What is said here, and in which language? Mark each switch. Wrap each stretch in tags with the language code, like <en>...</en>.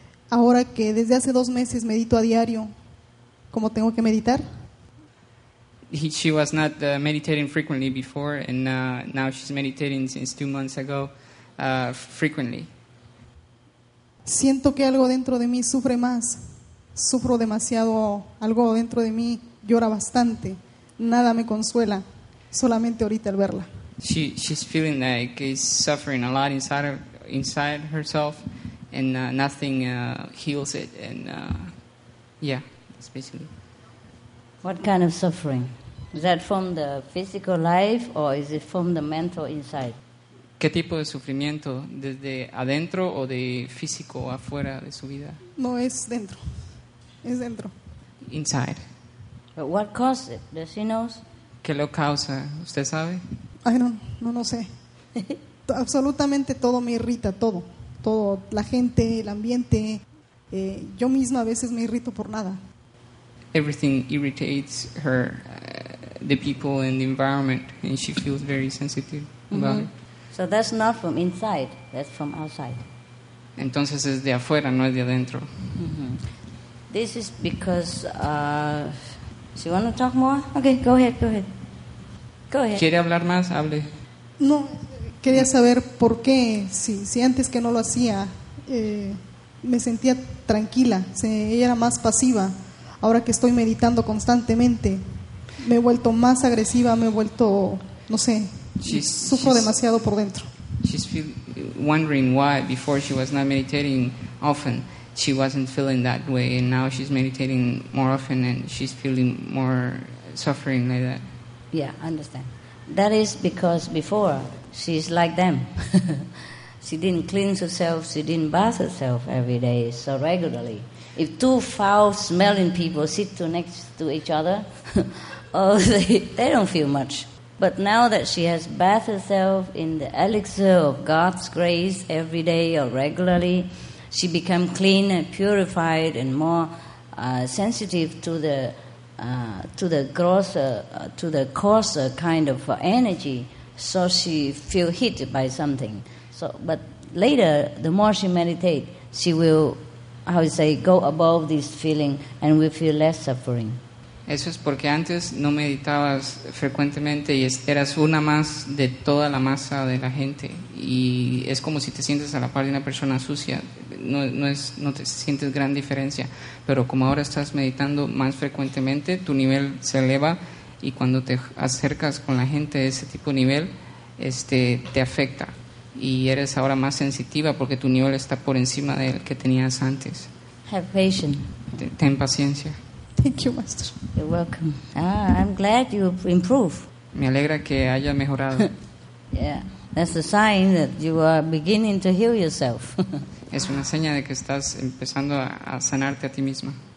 <es>Ahora que desde hace 2 meses medito a diario, ¿cómo tengo que meditar?</es> <en>She was not meditating frequently before, and now she's meditating since 2 months ago, frequently.</en> <es>Siento que algo dentro de mí sufre más. Sufro demasiado. Algo dentro de mí llora bastante. Nada me consuela. Solamente ahorita al verla.</es> <en>She's feeling like she's suffering a lot inside herself, and nothing heals it. And yeah, that's basically. What kind of suffering? Is that from the physical life or is it from the mental inside?</en> <es>¿Qué tipo de sufrimiento? ¿Desde adentro o de físico afuera de su vida? No, es dentro. Es dentro.</es> <en>Inside. But what caused it? Does she know?</en> <es>¿Qué lo causa? ¿Usted sabe? Ay, no sé. Absolutamente todo me irrita, todo. Todo, la gente, el ambiente. Yo misma a veces me irrito por nada.</es> <en>Everything irritates her, the people and the environment, and she feels very sensitive about it. So that's not from inside, that's from outside.</en> <es>Entonces es de afuera, no es de adentro.</es> <en>This is because, so you want to talk more? Okay, go ahead.</en> <es>¿Quiere hablar más? Hable. No, quería saber por qué, si antes que no lo hacía, me sentía tranquila, ella era más pasiva. Ahora que estoy meditando constantemente, me he vuelto más agresiva, me he vuelto, no sé, sufro demasiado por dentro.</es> <en>She's wondering why before she was not meditating often, she wasn't feeling that way, and now she's meditating more often and she's feeling more suffering like that. Yeah, understand. That is because before, she's like them. She didn't cleanse herself, she didn't bath herself every day so regularly. If two foul-smelling people sit next to each other, oh, they don't feel much. But now that she has bathed herself in the elixir of God's grace every day or regularly, she become clean and purified and more sensitive to the coarser kind of energy, so she feel hit by something. So, but later, the more she meditate, she will, how to say, go above this feeling and will feel less suffering.</en> <es>Eso es porque antes no meditabas frecuentemente y eras una más de toda la masa de la gente. Y es como si te sientes a la par de una persona sucia. No te sientes gran diferencia. Pero como ahora estás meditando más frecuentemente, tu nivel se eleva. Y cuando te acercas con la gente de ese tipo de nivel, te afecta. Y eres ahora más sensitiva porque tu nivel está por encima del que tenías antes.</es> <en>Have patience.</en> <es>Ten paciencia.</es> <en>Thank you, Master. You're welcome. I'm glad you improve.</en> <es>Me alegra que haya mejorado.</es> <en>Yeah, that's a sign that you are beginning to heal yourself.</en> <es>Es una seña de que estás empezando a sanarte a ti misma.</es>